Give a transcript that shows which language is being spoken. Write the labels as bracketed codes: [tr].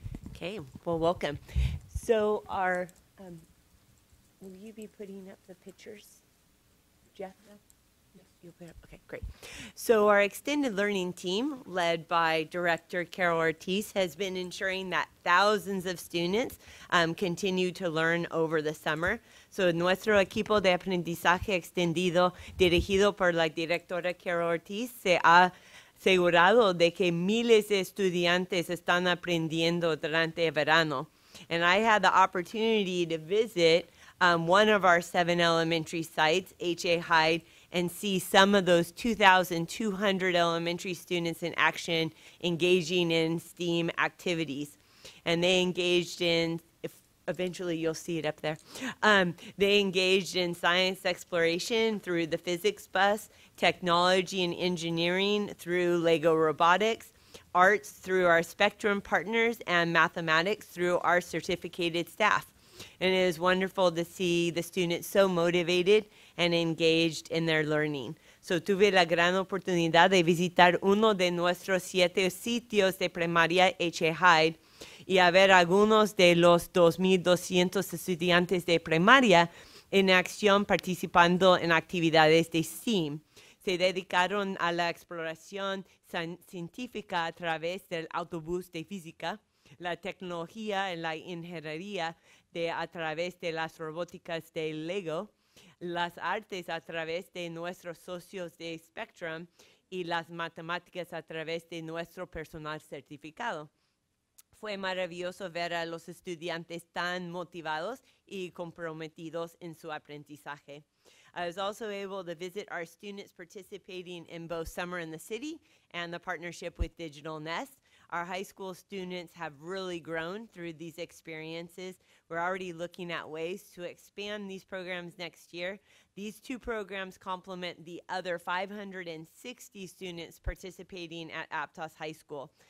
[en] Okay, well, welcome. So our, will you be putting up the pictures, Jeff? Yes. You'll put up, okay, great. So our extended learning team, led by Director Carol Ortiz, has been ensuring that thousands of students continue to learn over the summer. [es] So nuestro equipo de aprendizaje extendido, dirigido por la directora Carol Ortiz, se ha asegurado de que miles de estudiantes están aprendiendo durante verano. [en] And I had the opportunity to visit one of our seven elementary sites, H.A. Hyde, and see some of those 2,200 elementary students in action engaging in STEAM activities. And they engaged in, if eventually you'll see it up there, they engaged in science exploration through the physics bus, technology and engineering through Lego robotics, arts through our Spectrum partners, and mathematics through our certificated staff. And it is wonderful to see the students so motivated and engaged in their learning. [es] So tuve la gran oportunidad de visitar uno de nuestros siete sitios de primaria H.A. Hyde y a ver algunos de los 2,200 estudiantes de primaria en acción participando en actividades de STEAM. Se dedicaron a la exploración científica a través del autobús de física, la tecnología y la ingeniería de, a través de las robóticas de Lego, las artes a través de nuestros socios de Spectrum y las matemáticas a través de nuestro personal certificado. Fue maravilloso ver a los estudiantes tan motivados y comprometidos en su aprendizaje. [en] I was also able to visit our students participating in both Summer in the City and the partnership with Digital Nest. Our high school students have really grown through these experiences. We're already looking at ways to expand these programs next year. These two programs complement the other 560 students participating at Aptos High School.